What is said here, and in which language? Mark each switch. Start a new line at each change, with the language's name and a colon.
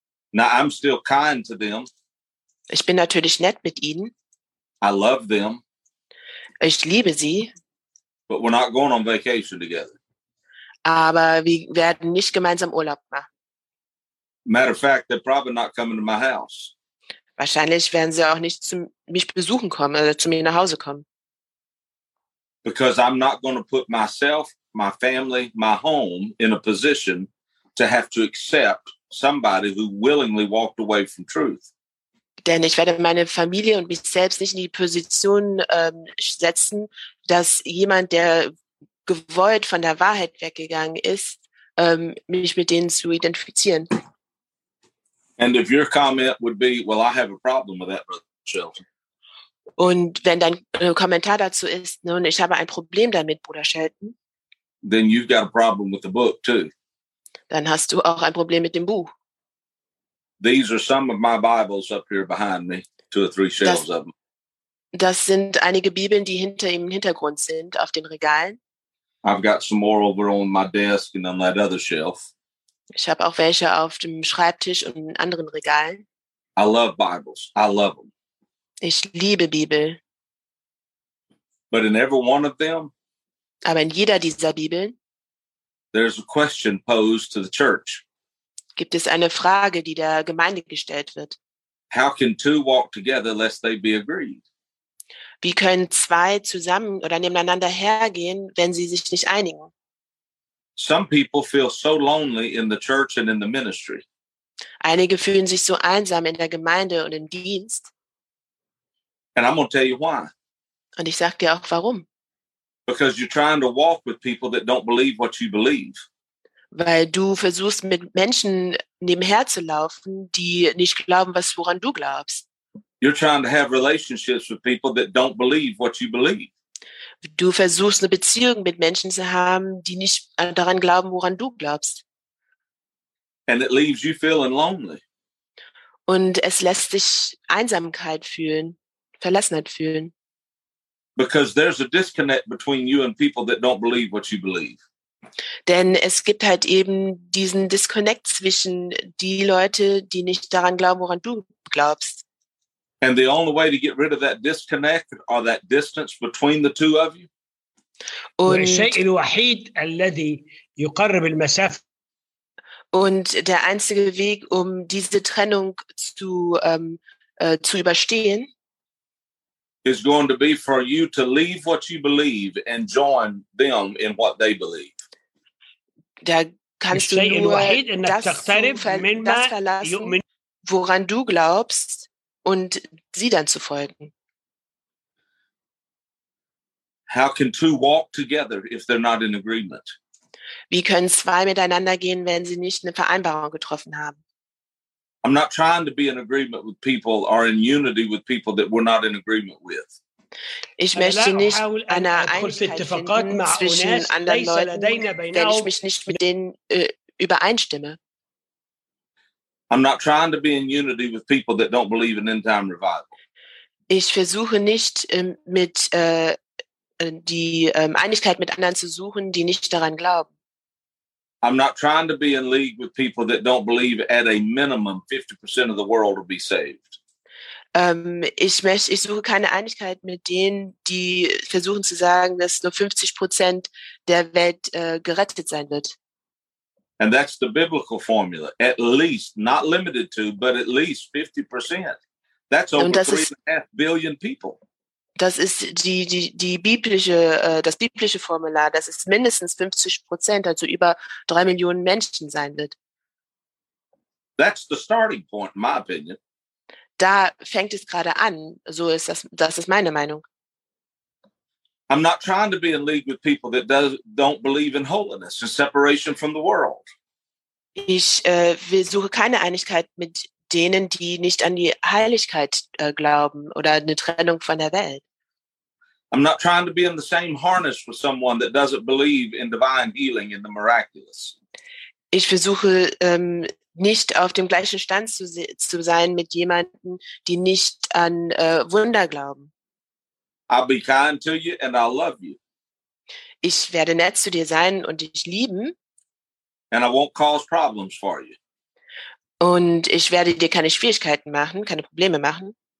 English: Now I'm still kind to them.
German: Ich bin natürlich nett mit ihnen.
English: I love them.
German: Ich liebe sie.
English: But we're not going on vacation together.
German: Aber wir werden nicht gemeinsam Urlaub machen.
English: Matter of fact, they're probably not coming to my house.
German: Wahrscheinlich werden sie auch nicht zu mich besuchen kommen oder zu mir nach Hause kommen.
English: Because I'm not going to put myself, my family, my home in a position to have to accept somebody who willingly walked away from truth.
German: Denn ich werde meine Familie und mich selbst nicht in die Position setzen, dass jemand, der gewollt von der Wahrheit weggegangen ist, mich mit denen zu identifizieren.
English: And if your comment would be, well, I have a problem with that, Brother Shelton.
German: Und wenn dein Kommentar dazu ist, nun, ich habe ein Problem damit, Bruder Shelton.
English: Then you've got a problem with the book, too.
German: Dann hast du auch ein Problem mit dem Buch.
English: These are some of my Bibles up here behind me, two or three shelves of them.
German: Das sind einige Bibeln, die hinter im Hintergrund sind, auf den Regalen.
English: I've got some more over on my desk and on that other shelf.
German: Ich habe auch welche auf dem Schreibtisch und in anderen Regalen.
English: I love Bibles. I love them.
German: Ich liebe Bibel.
English: But in every one of them,
German: aber in jeder dieser Bibeln,
English: there's a question posed to the church.
German: Gibt es eine Frage, die der Gemeinde gestellt wird?
English: How can two walk together lest they be agreed?
German: Wie können zwei zusammen oder nebeneinander hergehen, wenn sie sich nicht einigen?
English: Some people feel so lonely in the church and in the ministry.
German: Einige fühlen sich so einsam in der Gemeinde und im Dienst.
English: And I'm going to tell you why.
German: Und ich sag dir auch warum.
English: Because you're trying to walk with people that don't believe what you believe.
German: weil du versuchst, mit Menschen nebenher zu laufen, die nicht glauben, was woran du glaubst.
English: You're trying to have relationships with people that don't believe what you believe.
German: Du versuchst, eine Beziehung mit Menschen zu haben, die nicht daran glauben, woran du glaubst.
English: And it leaves you feeling lonely.
German: Und es lässt dich Einsamkeit fühlen, Verlassenheit fühlen.
English: Because there's a disconnect between you and people that don't believe what you believe.
German: Denn es gibt halt eben diesen Disconnect zwischen die Leute, die nicht daran glauben, woran du glaubst.
English: And the only way to get rid of that disconnect or that distance between the two of you. Und الشيء الوحيد الذي يقرب المسافة.
German: Und der einzige Weg, um diese Trennung zu überstehen,
English: is going to be for you to leave what you believe and join them in what they believe.
German: Da kannst du nur das verlassen, woran du glaubst, und sie dann zu folgen.
English: How can two walk together if they're not in agreement?
German: Wie können zwei miteinander gehen, wenn sie nicht eine Vereinbarung getroffen haben?
English: I'm not trying to be in agreement with people or in unity with people that we're not in agreement with.
German: Ich möchte nicht eine Einigkeit finden zwischen anderen Leuten, wenn ich mich nicht mit denen übereinstimme.
English: I'm not trying to be in unity with people that don't believe in end-time revival.
German: Ich versuche nicht mit die Einigkeit mit anderen zu suchen, die nicht daran glauben.
English: I'm not trying to be in league with people that don't believe at a minimum 50% of the world will be saved.
German: Ich suche keine Einigkeit mit denen, die versuchen zu sagen, dass nur 50% der Welt gerettet sein wird.
English: And that's the biblical formula. At least, not limited to, but at least 50%. That's over 3.5 billion people.
German: Das ist das biblische Formular, dass es mindestens 50%, also über 3 Millionen Menschen sein wird.
English: That's the starting point, in my opinion.
German: Da fängt es gerade an. So ist das. Das ist meine Meinung.
English: I'm not trying to be in league with people that don't believe in holiness and separation from the world.
German: Ich suche keine Einigkeit mit denen, die nicht an die Heiligkeit glauben oder eine Trennung von der Welt.
English: I'm not trying to be in the same harness with someone that doesn't believe in divine healing and the miraculous.
German: Ich versuche nicht auf dem gleichen Stand zu sein mit jemanden, die nicht an Wunder glauben.
English: I'll be kind to you and I'll love you.
German: Ich werde nett zu dir sein und dich lieben.
English: And I won't cause problems for you.
German: Und ich werde dir keine Schwierigkeiten machen, keine Probleme machen.